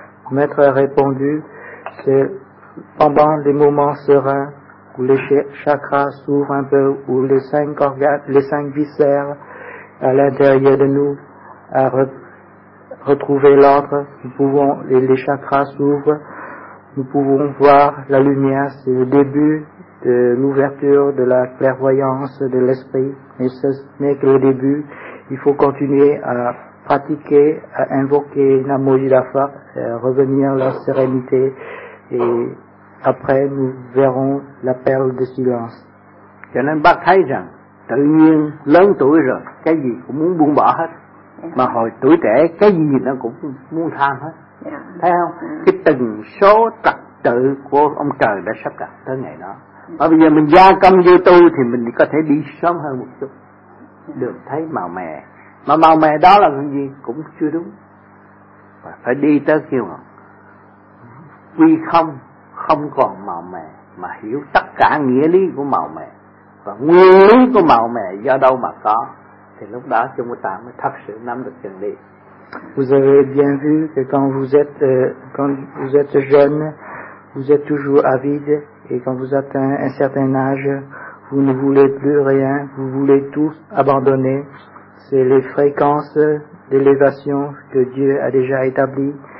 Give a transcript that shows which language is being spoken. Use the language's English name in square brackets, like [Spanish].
[French] Maître a répondu, c'est pendant les moments sereins où les chakras s'ouvrent un peu, où les cinq organes, les cinq viscères à l'intérieur de nous a retrouvé l'ordre, les chakras s'ouvrent, nous pouvons voir la lumière, c'est le début de l'ouverture de la clairvoyance de l'esprit, mais ce n'est que le début. Il faut continuer à pratiquer, à invoquer Namo Jidafa, revenir à la sérénité, et après nous verrons la perle de silence. [Vietnamese] Cho nên bác thấy rằng, tự nhiên lớn tuổi rồi, cái gì cũng muốn buông bỏ hết. Mà hồi tuổi trẻ, cái gì nó cũng muốn tham hết. Thấy không? Cái từng số trật tự của ông trời đã sắp đặt tới ngày đó. Mà bây giờ mình gia công vô tu thì mình có thể đi sớm hơn một chút, được thấy màu mè. Mà màu mè đó là gì cũng chưa đúng, mà phải đi tới kêu mà quy không, không còn màu mè, mà hiểu tất cả nghĩa lý của màu mè và nguyên lý của màu mè do đâu mà có, thì lúc đó chúng ta mới thật sự nắm được chân lý. [French] Vous avez bien vu que quand vous êtes jeune, vous êtes toujours avide. Et quand vous atteignez un certain âge, vous ne voulez plus rien, vous voulez tout abandonner. C'est les fréquences d'élévation que Dieu a déjà établies.